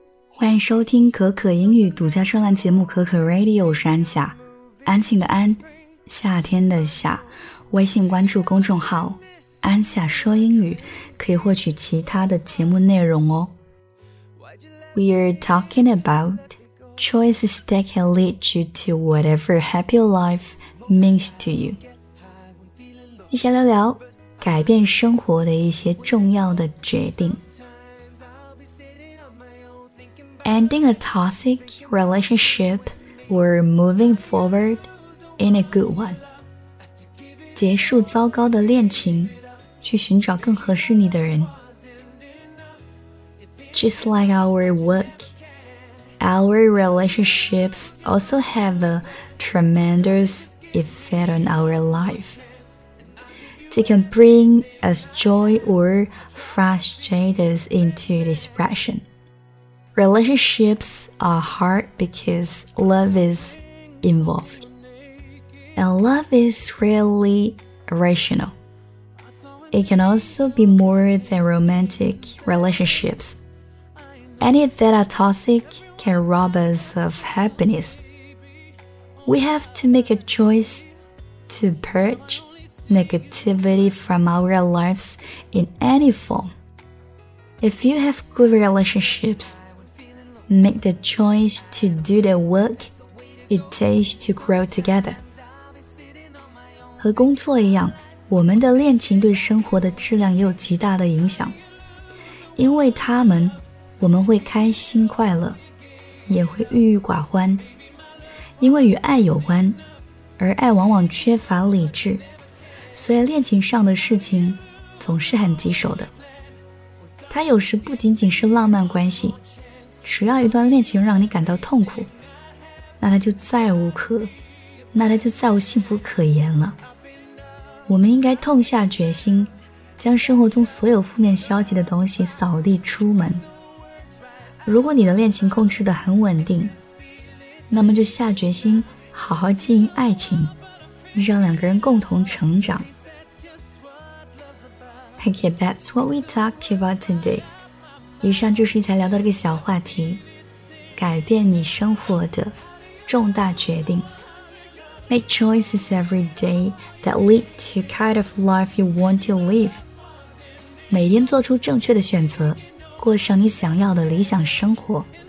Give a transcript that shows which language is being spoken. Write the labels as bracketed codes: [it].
[zh] 欢迎收听可可英语独家专栏节目可可 Radio， 我是安夏，安静的安，夏天的夏。微信关注公众号安夏说英语，可以获取其他的节目内容哦。 [en] We're talking about choices that can lead you to whatever happy life means to you. [zh] 一起聊聊改变生活的一些重要的决定。 [en] Ending a toxic relationship or moving forward in a good one. [zh] 结束糟糕的恋情，去寻找更合适你的人。 [en] Just like our work, our relationships also have a tremendous effect on our life. They can bring us joy or frustrate us into depression. Relationships are hard because love is involved. And love is really rational. It can also be more than romantic relationships. Any that are toxic can rob us of happiness. We have to make a choice to purge negativity from our lives in any form. If you have good relationships, make the choice to do the work it takes to grow together. [zh] 和工作一样，我们的恋情对生活的质量也有极大的影响，因为他们我们会开心快乐，也会郁郁寡欢，因为与爱有关，而爱往往缺乏理智，所以恋情上的事情总是很棘手的。它有时不仅仅是浪漫关系，只要一段恋情让你感到痛苦，那它就再无幸福可言了。我们应该痛下决心，将生活中所有负面消极的东西扫地出门。如果你的恋情控制得很稳定，那么就下决心好好经营爱情，让两个人共同成长。 [en] Okay, that's what we talk about today. [zh] 以上就是一起聊到这个小话题，改变你生活的重大决定。 [en] Make choices every day that lead to kind of life you want to live. [zh] 每天做出正确的选择，过上你想要的理想生活。